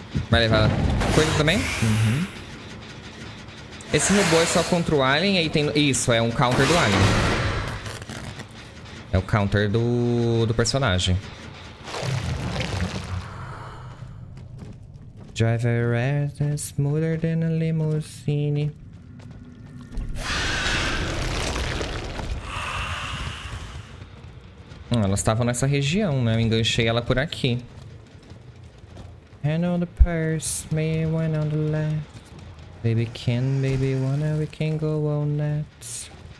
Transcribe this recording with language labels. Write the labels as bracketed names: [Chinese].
[Portuguese] Vai levar coisa também? Uhum. Esse robô é só contra o alien e aí tem... Isso, é um counter do alien. É o counter do personagem. [English] Driver is smoother than a limousine. [Portuguese] Elas estavam nessa região, né? Eu enganchei ela por aqui. [English] Hand on the purse, maybe one on the left. Baby can, baby wanna, we can go on that.